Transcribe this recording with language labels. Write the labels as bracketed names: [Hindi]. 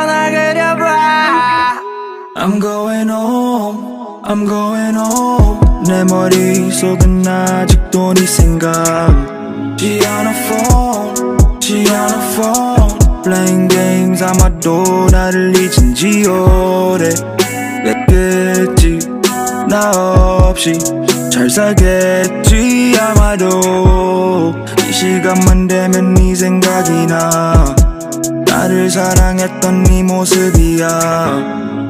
[Korean] 매번 나 눈 감고 나 그려봐. [English] I'm going home, I'm going home. [Korean] 내 머릿속은 아직도 네 생각. [English] She on a phone, she on a phone. Playing games [Korean] 아마도 나를 잊은지 오래 됐겠지. 나 없이 잘 살겠지 아마도. 이 시간만 되면 네 생각이 나. 나를 사랑했던 네 모습이야.